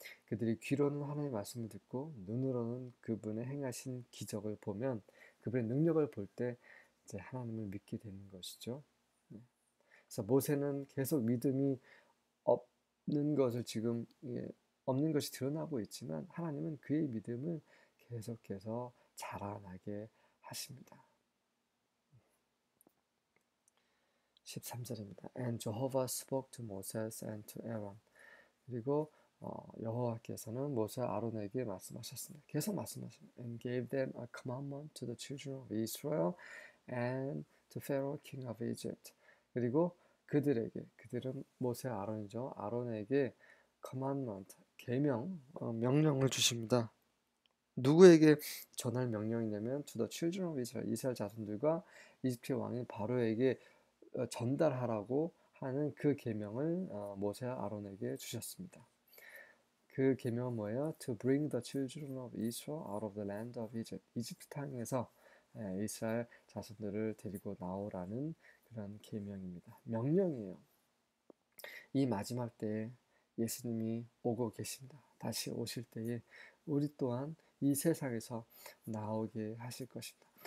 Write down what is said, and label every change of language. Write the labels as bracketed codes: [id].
[ko] 그들이 귀로는 하나님의 말씀을 듣고 눈으로는 그분의 행하신 기적을 보면 그분의 능력을 볼때 이제 하나님을 믿게 되는 것이죠. 그래서 모세는 계속 믿음이 없는 것을 지금 없는 것이 드러나고 있지만 하나님은 그의 믿음을 계속해서 자라나게 하십니다. 13절입니다. [en] And Jehovah spoke to Moses and to Aaron. [ko] 그리고 여호와께서는 모세 아론에게 말씀하셨습니다. 계속 말씀하십니다. [en] And gave them a commandment to the children of Israel and to Pharaoh, king of Egypt. [ko] 그리고 그들은 모세 아론이죠. 아론에게 commandment, 계명, 명령을 주십니다. 누구에게 전할 명령이냐면 [en] to the children of Israel, [ko] 이스라엘 자손들과 이집트 왕인 바로에게 전달하라고 하는 그 계명을 모세와 아론에게 주셨습니다. 그 계명은 뭐예요? [en] To bring the children of Israel out of the land of Egypt. [ko] 이집트 땅에서 이스라엘 자손들을 데리고 나오라는 그런 계명입니다. 명령이에요. 이 마지막 때에 예수님이 오고 계십니다. 다시 오실 때에 우리 또한 이 세상에서 나오게 하실 것입니다.